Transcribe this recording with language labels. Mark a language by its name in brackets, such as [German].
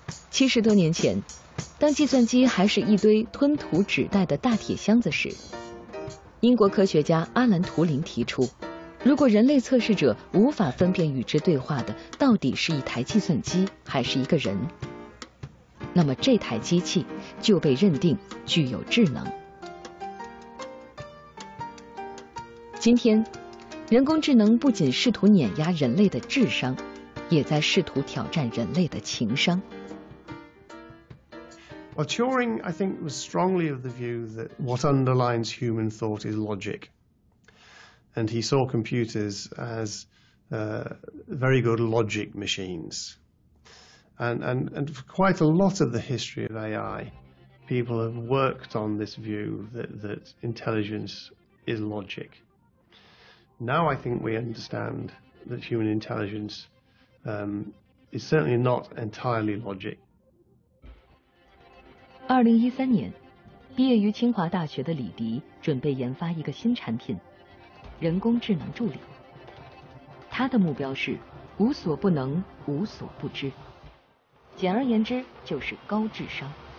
[Chinese] 70多年前，当计算机还是一堆吞吐纸袋的大铁箱子时，英国科学家阿兰·图灵提出，如果人类测试者无法分辨与之对话的到底是一台计算机还是一个人，那么这台机器就被认定具有智能。今天，人工智能不仅试图碾压人类的智商，也在试图挑战人类的情商。 [English] Well, Turing, I think, was strongly of the view that what underlines human thought is logic, and he saw computers as very good logic machines. And for quite a lot of the history of AI, people have worked on this view that intelligence is logic. Now I think we understand that human intelligence is certainly not entirely logic. [Chinese] 2013年，毕业于清华大学的李迪准备研发一个新产品——人工智能助理。他的目标是无所不能，无所不知，简而言之就是高智商。